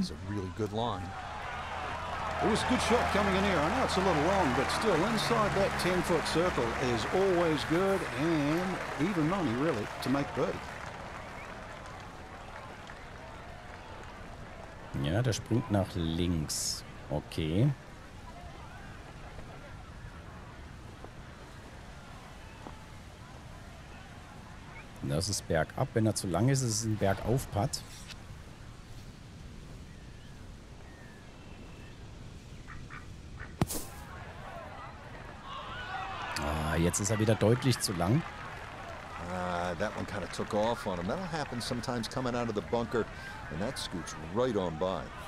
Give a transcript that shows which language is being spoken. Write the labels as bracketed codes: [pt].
[en] It was a good shot coming in here. I know it's a little long, but still inside that 10-foot circle is always good and even money really to make birdie. [de] Ja, der springt nach links. Okay. Das ist bergab. Wenn er zu lang ist, ist es ein Bergauf-Putt. Ah, jetzt ist er wieder deutlich zu lang. [en] That one kind of took off on him. That'll happen sometimes coming out of the bunker. And that scoots right on by.